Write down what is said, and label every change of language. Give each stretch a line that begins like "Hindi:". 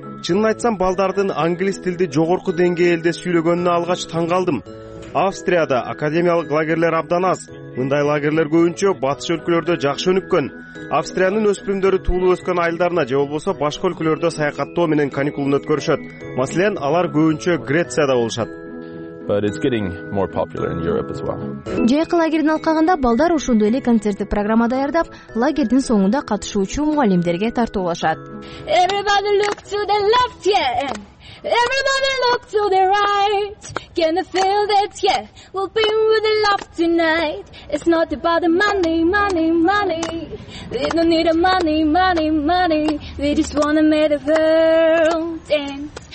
Kyrgyz: Чынын айтсам, балдардын англис тилди жогорку деңгээлде сүйлөгөнүнө алгач таң калдым. Австрияда академиялык лагерлер абдан аз. Мындай лагерлер көбүнчө батыш өлкөлөрдө жакшы өнүккөн. Австриянын өспүрүмдөрү туулуп өскөн айылдарына же болбосо башка өлкөлөрдө саякаттоо менен каникулун өткөрүшөт. Маселен, алар көбүнчө Грецияда болушат.
English: but it's getting more popular in Europe as well.
Kyrgyz: Жайкы лагерин алкагында балдар ушундай эле концерттик программа даярдап, лагердин соңунда катышуучу мугалимдерге тартуулашат.
English: Everybody look to the left, yeah. Everybody look to the right. Can I feel that, yeah? We'll be with the love tonight. It's not about the money, money, money. We don't need the money, money, money. We just wanna make the world dance.